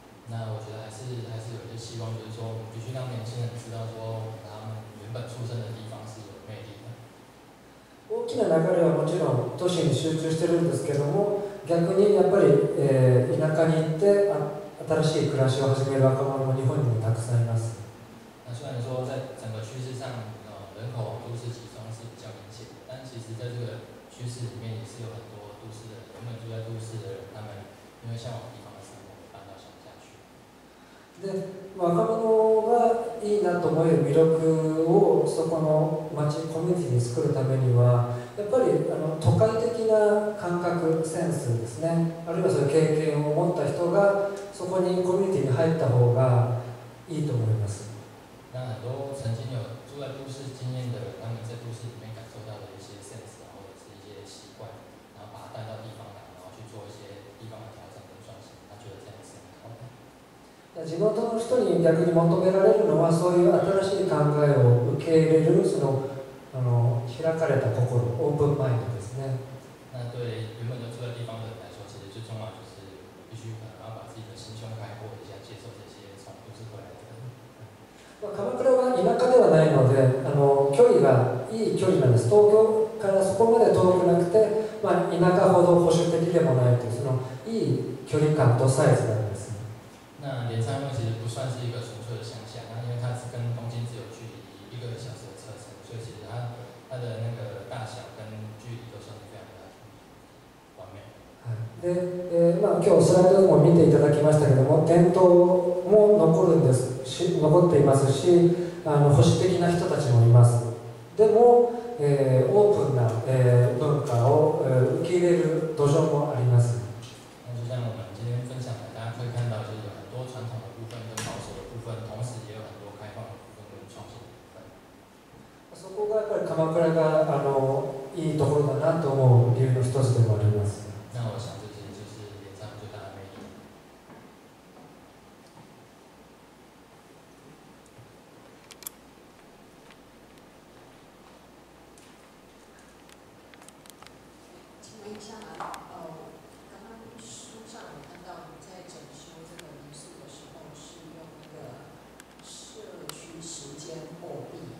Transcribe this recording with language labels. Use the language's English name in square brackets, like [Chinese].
[Chinese] 那我觉得还是有些希望，就是说，必须让年轻人知道说，他们原本出生的地方是有魅力的。 [Japanese] 大きな流れはもちろん都市に集中してるんですけども、逆にやっぱり、田舎に行って。新しい暮らしを始める若者も日本にもたくさんいます。 [Chinese] 那虽然说在整个趋势上，人口往都市集中是比较明显，但其实在这个趋势里面也是有很多都市的人，原本住在都市的人，他们因为向往地方的生活，搬到乡下去。 [Japanese] で、若者がいいなと思える魅力をそこの町コミュニティに作るためには、やっぱりあの都会的な感覚センスですね、あるいはそういう経験を持った人がそこにコミュニティに入った方がいいと思います。 [Chinese] 那很多曾经有住在都市经验的人，他们在都市里面感受到的一些 sense， 然后是一些习惯，然后把它带到地方来，然后去做一些地方的调整跟创新，他觉得这样是很好的。 [Japanese] 地元の人に逆に求められるのはそういう新しい考えを受け入れるその。あの開かれた心、オープンマインドですね。 [Chinese] 那对原本就住在地方的人来说，其实最重要就是必须可能要把自己的心胸开阔一下，接受这些从都市回来的。 [Japanese] まあ、鎌倉は田舎ではないので、あの距離がいい距離なんです。東京からそこまで遠くなくて、まあ、田舎ほど保守的でもないというそのいい距離感とサイズなんです。 [Chinese] 那镰仓其实不算是一个纯粹的乡下，那因为它是跟东京只有距离1个小时。所以其实它的那个大小跟距离都算是非常的完美。 [Japanese] で、まあ今日スライドも見ていただきましたけども、伝統も残るんですし、残っていますし、あの保守的な人たちもいます。でも、オープンな、文化を、受け入れる土壌もあります。 [Chinese] 那就像我们今天分享的，大家可以看到，就是有很多传统的部分跟保守的部分，同时也有很多开放的部分跟创新。 [Japanese] そこがやっぱり鎌倉があのいいところだなと思う理由の一つでもあります。 [Chinese] 那我想这些就是镰仓最大的魅力。请问一下，刚刚书上有看到你在整修这个民宿的时候是用那个社区时间货币。